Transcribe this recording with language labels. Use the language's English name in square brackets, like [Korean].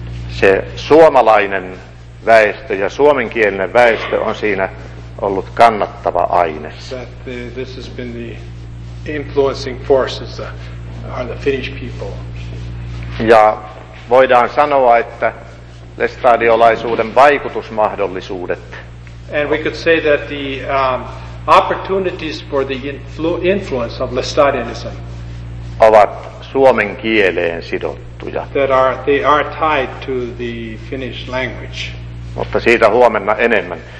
[Finnish] Se suomalainen väestö ja suomenkielinen väestö on siinä ollut kannattava aines. [English] This has been the influencing forces are the Finnish people. [Finnish] Ja voidaan sanoa, että lestadiolaisuuden vaikutusmahdollisuudet. [English] And we could say that the opportunities for the influence of Lestadianism [Finnish] ovat suomen kieleen sidottuja. [English] They are tied to the Finnish language. [Finnish] Mutta siitä huomenna enemmän.